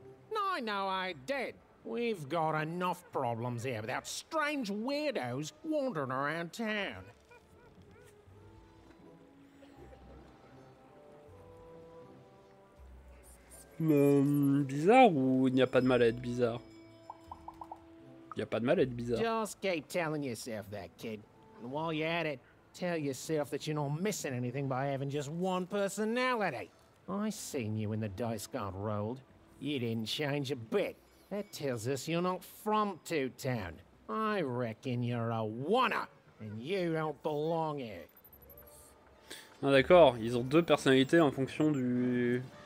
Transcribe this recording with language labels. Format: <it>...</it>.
<en>No, I know I did. We've got enough problems here without strange weirdos wandering around town.</en> <fr>Bizarre ou il n'y a pas de mal à être bizarre? Il n'y a pas de mal à être bizarre.</fr> <en>Just keep telling yourself that, kid. And while you're at it, tell yourself that you're not missing anything by having just one personality. I seen you when the dice got rolled. You didn't change a bit. That tells us you're not from Two Town. I reckon you're a wanna, and you don't belong here.</en> <fr>Ah d'accord, ils ont deux personnalités en fonction du...</fr>